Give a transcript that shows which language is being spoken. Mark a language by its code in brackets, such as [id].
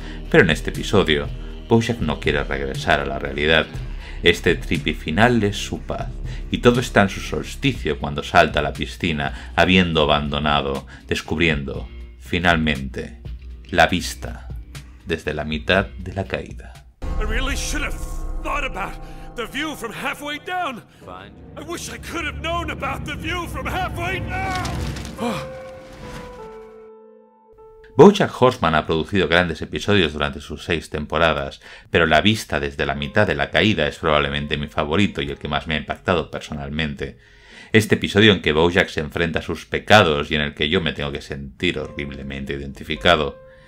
[es] Pero en este episodio, BoJack no quiere regresar a la realidad. Este trippy final es su paz, y todo está en su solsticio cuando salta a la piscina, habiendo abandonado, descubriendo, finalmente, la vista desde la mitad de la caída. [en] I really should have thought about the view from halfway down. Fine. I wish I could have known about the view from halfway down. [es] BoJack Horseman ha producido grandes episodios durante sus 6 temporadas, pero La vista desde la mitad de la caída es probablemente mi favorito y el que más me ha impactado personalmente. Este episodio en que BoJack se enfrenta a sus pecados y en el que yo me tengo que sentir horriblemente identificado.